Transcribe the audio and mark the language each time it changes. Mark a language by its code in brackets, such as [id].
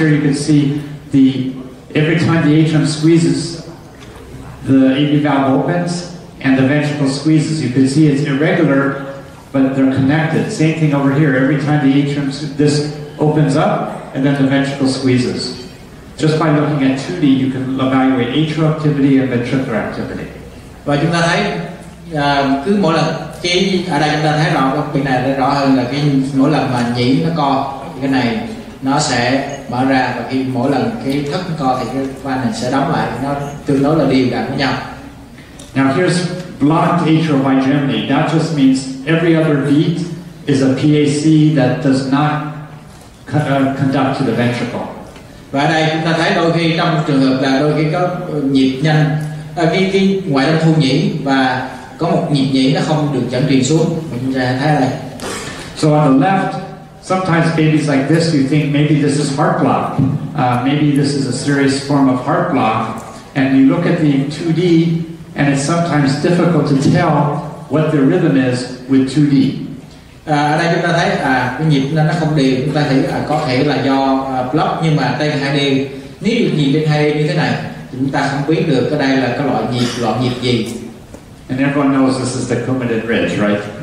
[en] Here you can see the every time the atrium squeezes, the AV valve opens and the ventricle squeezes. You can see it's irregular, but they're connected. Same thing over here. Every time the atrium disc opens up and then the ventricle squeezes. Just by looking at 2D, you can evaluate atrial activity and ventricular activity. [vi] Và chúng ta thấy cứ mỗi lần ở đây chúng ta thấy rõ cái này rõ hơn là cái mỗi lần mà nhĩ nó co thì cái này nó sẽ mở ra và khi mỗi lần cái thất co thì cái van này sẽ đóng lại, nó tương đối là đều đặn với nhau. [en] Now here's blocked atrial hegemony. That just means every other beat is a PAC that does not conduct to the ventricle. [vi] Và ở đây chúng ta thấy đôi khi trong trường hợp là đôi khi có nhịp nhanh cái ngoại tâm thu nhĩ và có một nhịp nhĩ nó không được dẫn truyền xuống, mình ra thấy đây. [en] So on the left, sometimes babies like this, you think maybe this is heart block, maybe this is a serious form of heart block, and you look at the 2D, and it's sometimes difficult to tell what the rhythm is with 2D. [vi] Ở đây chúng ta thấy cái nhịp nó không đều, chúng ta thấy có thể là do block, nhưng mà trên 2D, nếu nhìn trên 2D như thế này, chúng ta không biết được ở đây là cái loại nhịp gì. [en] And everyone knows this is the Coumadin ridge, right?